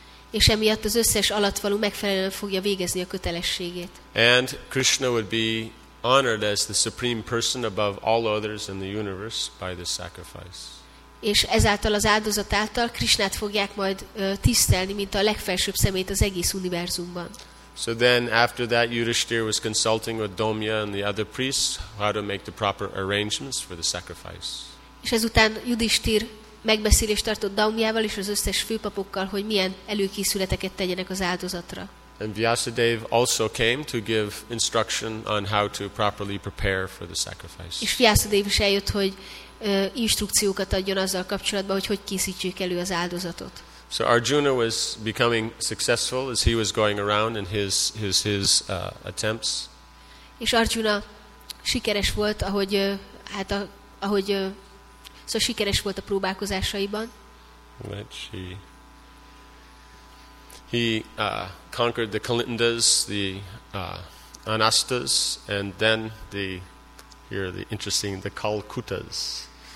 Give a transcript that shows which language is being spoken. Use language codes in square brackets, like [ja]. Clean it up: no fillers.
[hu] És emiatt az összes alattvaló megfelelően fogja végezni a kötelességét. [en] And Krishna would be honored as the supreme person above all others in the universe by this sacrifice. [hu] És ezáltal az áldozat által Krishnát fogják majd tisztelni, mint a legfelsőbb szemét az egész univerzumban. [en] So then after that Yudhishthir was consulting with Domya and the other priests how to make the proper arrangements for the sacrifice. [hu] És ezután Yudhishthir megbeszélést tartott Daumyával és az összes főpapokkal, hogy milyen előkészületeket tegyenek az áldozatra. [en] And Vyasadeva also came to give instruction on how to properly prepare for the sacrifice. [hu] És Vyasadeva is eljött, hogy instrukciókat adjon azzal kapcsolatban, hogy készítsék elő az áldozatot. [en] So Arjuna was becoming successful as he was going around in his attempts. [hu] És Arjuna sikeres volt, szóval sikeres volt a próbálkozásaiban. [en] He conquered the Kalindas, the Anastas, and then the Kalkutas.